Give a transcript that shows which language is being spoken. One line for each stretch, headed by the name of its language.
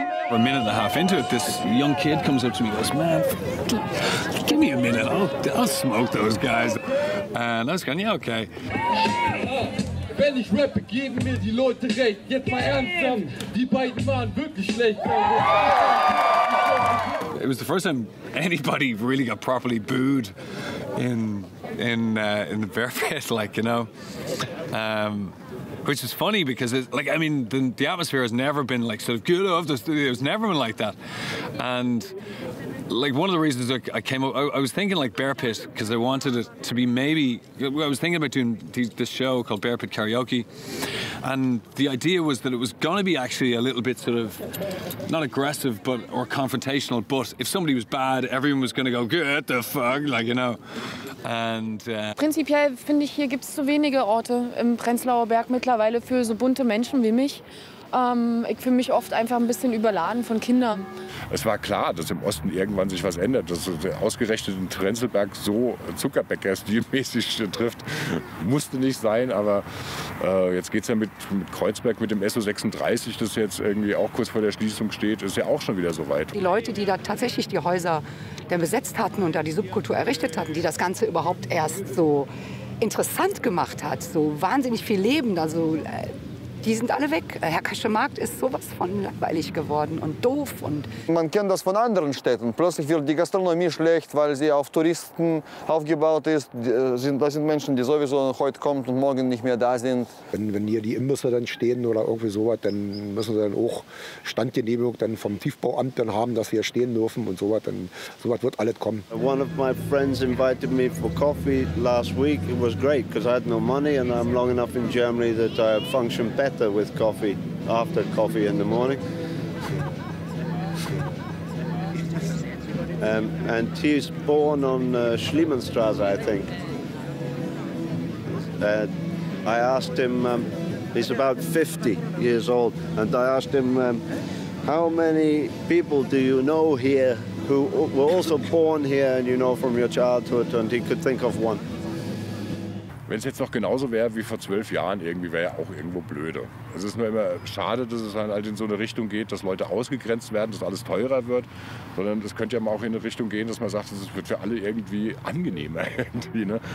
English: A minute and a half into it, this young kid comes up to me and goes, man, give me a minute, I'll smoke those guys. And I was going, yeah, okay.
German: Wenn ich rappe, geben mir die Leute recht. Jetzt mal ernsthaft, die beiden waren wirklich schlecht.
English: It was the first time anybody really got properly booed in the bear pit, like, you know. Which is funny because it's like, I mean, the atmosphere has never been like sort of good of the studio. It's never been like that. And like one of the reasons I came up, I was thinking like Bear Pit because I wanted it to be maybe, I was thinking about doing this show called Bear Pit Karaoke. And the idea was that it was going to be actually a little bit sort of, not aggressive but or confrontational, but if somebody was bad, everyone was going to go, get the fuck, like, you know. And,
German: prinzipiell finde ich, hier gibt es zu wenige Orte im Prenzlauer Berg mittlerweile für so bunte Menschen wie mich. Ich fühle mich oft einfach ein bisschen überladen von Kindern. Es war klar, dass im Osten irgendwann sich was ändert, dass ausgerechnet in Prenzlberg so Zuckerbäcker-stilmäßig trifft. Musste nicht sein, aber jetzt geht es ja mit Kreuzberg, mit dem SO36, das jetzt irgendwie auch kurz vor der Schließung steht, ist ja auch schon wieder so weit. Die Leute, die da tatsächlich die Häuser dann besetzt hatten und da die Subkultur errichtet hatten, die das Ganze überhaupt erst so interessant gemacht hat, so wahnsinnig viel Leben da so... Die sind alle weg. Herr Kaschemarkt ist sowas von langweilig geworden und doof. Und man kennt das von anderen Städten. Plötzlich wird die Gastronomie schlecht, weil sie auf Touristen aufgebaut ist. Das sind Menschen, die sowieso heute kommen und morgen nicht mehr da sind. Wenn hier die Imbisse dann stehen oder irgendwie sowas, dann müssen sie dann auch Standgenehmigung dann vom Tiefbauamt dann haben, dass sie hier stehen dürfen und sowas. Dann sowas wird alles kommen.
English: One of my friends invited me for coffee last week. It was great, because I had no money and I'm long enough in Germany that I function better. Better with coffee, after coffee in the morning. And he was born on Schliemannstrasse, I think. I asked him, He's about 50 years old. And I asked him, how many people do you know here who were also born here and you know from your childhood? And he could think of one.
German: Wenn es jetzt noch genauso wäre wie vor 12 Jahren, irgendwie wäre ja auch irgendwo blöde. Es ist nur immer schade, dass es halt in so eine Richtung geht, dass Leute ausgegrenzt werden, dass alles teurer wird. Sondern es könnte ja mal auch in eine Richtung gehen, dass man sagt, es wird für alle irgendwie angenehmer. Irgendwie, ne?